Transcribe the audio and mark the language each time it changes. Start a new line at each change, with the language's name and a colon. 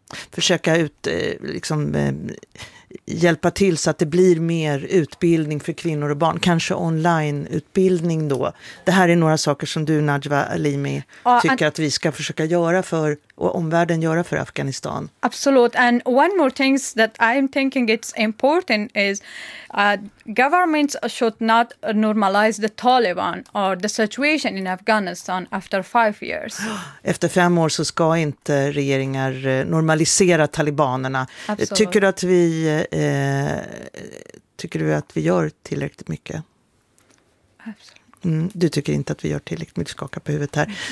Swedish: Försöka ut, liksom, hjälpa till så att det blir mer utbildning för kvinnor och barn. Kanske online-utbildning då. Det här är några saker som du, Najwa Alimi, tycker att vi ska försöka göra för och omvärlden göra för Afghanistan. Absolut.
English: And one more thing that I'm thinking it's important is governments should not normalize the Taliban or the situation in Afghanistan after 5 years.
Swedish: Efter 5 år så ska inte regeringar normalisera talibanerna. Absolut. Tycker du att vi gör tillräckligt mycket? Absolut. Du tycker inte att vi gör tillräckligt mycket, skaka på huvudet här.